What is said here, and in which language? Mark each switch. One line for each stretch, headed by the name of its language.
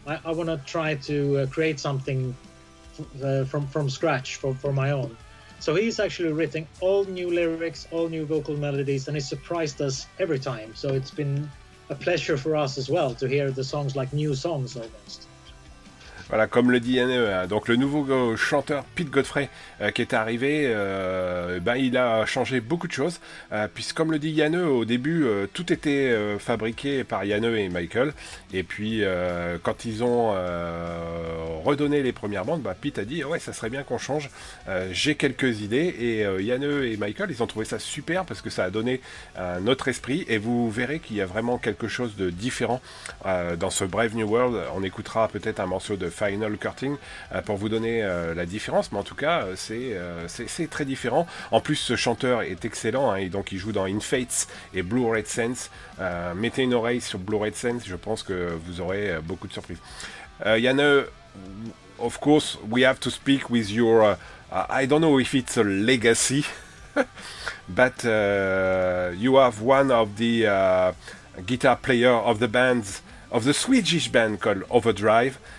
English: I want to try to create something from scratch for my own." So he's actually written all new lyrics, all new vocal melodies, and he surprised us every time. So it's been a pleasure for us as well to hear the songs like new songs almost.
French: Voilà, comme le dit Yanneu, donc le nouveau chanteur Pete Godfrey qui est arrivé, ben il a changé beaucoup de choses. Puisque comme le dit Yanneu, au début, tout était fabriqué par Yanneu et Michael. Et puis, quand ils ont redonné les premières bandes, ben, Pete a dit « Ouais, ça serait bien qu'on change, j'ai quelques idées. » Et Yanneu et Michael, ils ont trouvé ça super parce que ça a donné un autre esprit. Et vous verrez qu'il y a vraiment quelque chose de différent dans ce Brave New World. On écoutera peut-être un morceau de Final Curtain pour vous donner la différence, mais en tout cas c'est très différent. En plus, ce chanteur est excellent, hein, et donc il joue dans In Fates et Blue Red Sense. Mettez une oreille sur Blue Red Sense, je pense que vous aurez beaucoup de surprises.
English: Yanneu, of course we have to speak with your I don't know if it's a legacy but you have one of the guitar player of the bands of the Swedish band called Overdrive.